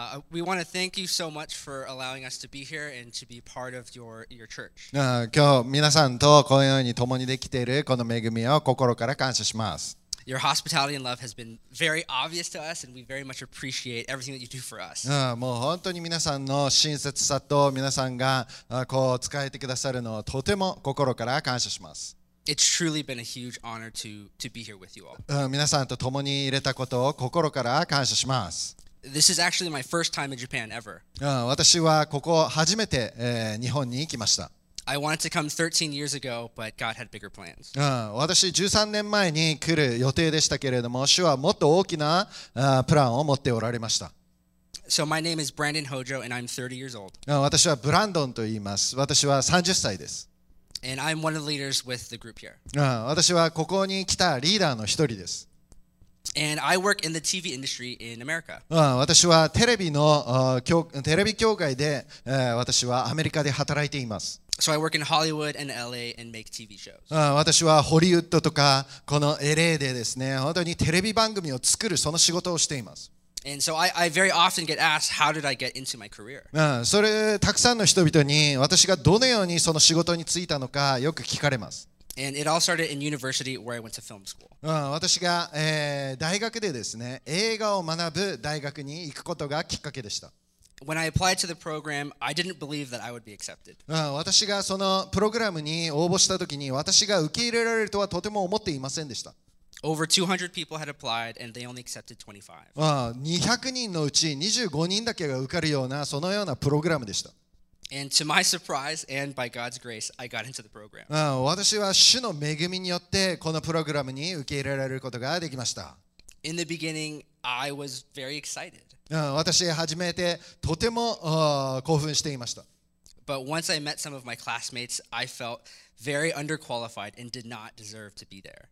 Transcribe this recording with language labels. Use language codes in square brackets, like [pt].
[en] We want to thank you so much for allowing us to be here and to be part of your church. [ja] 今日皆さんとこのように共にできているこの恵みを心から感謝します。 [en] Your hospitality and love has been very obvious to us, and we very much appreciate everything that you do for us. [ja] もう本当に皆さんの親切さと皆さんがこう使えてくださるのをとても心から感謝します。 [en] It's truly been a huge honor to be here with you all. [ja] 皆さんと共にいれたことを心から感謝します。 [en] This is actually my first time in Japan ever. [ja] 私はここ初めて、日本に来ました。 [en] I wanted to come 13 years ago, but God had bigger plans. [ja] 私13年前に来る予定でしたけれども、主はもっと大きなプランを持っておられました。 [en] So my name is Brandon Hojo, and I'm 30 years old. [ja] 私はブランドンと言います。私は30歳です。 [en] And I'm one of the leaders with the group here. [ja] 私はここに来たリーダーの一人です。 [en] And I work in the TV industry in America. [ja] 私はテレビの、テレビ業界で、私はアメリカで働いています。 [en] So I work in Hollywood and LA and make TV shows. [ja] 私はホリウッドとかこの LA でですね、本当にテレビ番組を作るその仕事をしています。 [en] And so I very often get asked, how did I get into my career? [ja] それたくさんの人々に私がどのようにその仕事に就いたのかよく聞かれます。 [en] And it all started in university where I went to film school. [ja] 私が、大学でですね、映画を学ぶ大学に行くことがきっかけでした。 [en] When I applied to the program, I didn't believe that I would be accepted. [ja] 私がそのプログラムに応募したときに、私が受け入れられるとはとても思っていませんでした。 [en] Over 200 people had applied, and they only accepted 25. [ja] 200人のうち25人だけが受かるような、そのようなプログラムでした。 [en] And to my surprise, and by God's grace, I got into the program. [ja] 私は主の恵みによって、このプログラムに受け入れられることができました。 [en] In the beginning, I was very excited. [ja] 私は初めてとても興奮していました。 [en] But once I met some of my classmates, I felt very underqualified and did not deserve to be there.